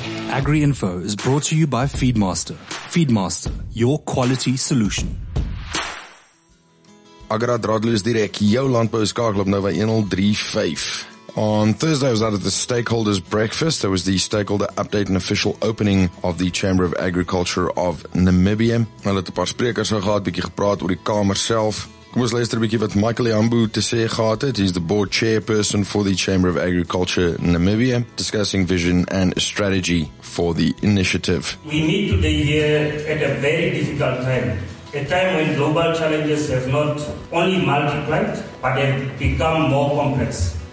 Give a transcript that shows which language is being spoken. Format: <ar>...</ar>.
<en>Agri Info is brought to you by Feedmaster. Feedmaster, your quality solution.</en> <af>Agra draadloos direk, jou landbouskakel op Nova 1035.</af> <en>On Thursday, I was out at the stakeholders' breakfast. There was the stakeholder update and official opening of the Chamber of Agriculture of Namibia.</en> <af>Hulle het 'n paar sprekers gehad, bietjie gepraat oor die kamer self. Kom ons luister 'n bietjie wat Michael Yambu te sê gehad het.</af> <en>He's the board chairperson for the Chamber of Agriculture Namibia, discussing vision and strategy for the initiative. We meet today here at a very difficult time, a time when global challenges have not only multiplied but have become more complex.</en>